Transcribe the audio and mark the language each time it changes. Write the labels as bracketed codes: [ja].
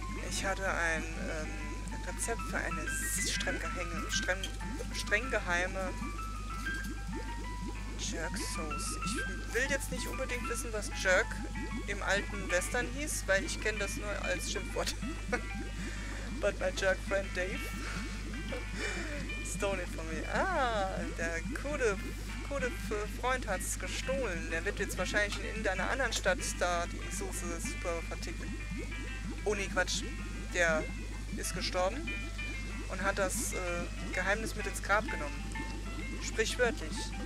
[de] Ich hatte ein Rezept für eine streng geheime Jerk-Sauce. Ich will jetzt nicht unbedingt wissen, was Jerk im alten Western hieß, weil ich kenne das nur als Schimpfwort. [en] But my jerk friend Dave stole it from me. [de] Ah, der coole Freund hat es gestohlen. Der wird jetzt wahrscheinlich in deiner anderen Stadt da die Soße super verticken. Oh nee, Quatsch. Der ist gestorben und hat das Geheimnis mit ins Grab genommen. Sprichwörtlich.